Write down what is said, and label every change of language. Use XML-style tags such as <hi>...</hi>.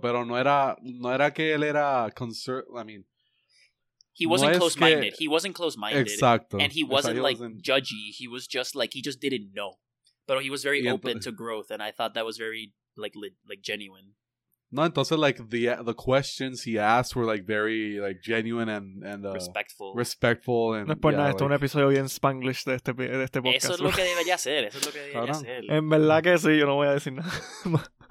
<es>Pero no era que él era conservador.</es> <en>I mean. He wasn't close-minded. He wasn't close-minded. Exacto. And he wasn't, judgy. He was just, like, he just didn't know. But he was very open to growth, and I thought that was very, like genuine.</en> <es>No, entonces,</es> <en>like, the questions he asked were, like, very, like, genuine and respectful. Respectful and,</en> <es>no es por nada, esto es un episodio bien Spanglish de este podcast. Eso es lo que debería hacer, eso es lo que debería hacer. En verdad que sí, yo no voy a decir nada.</es>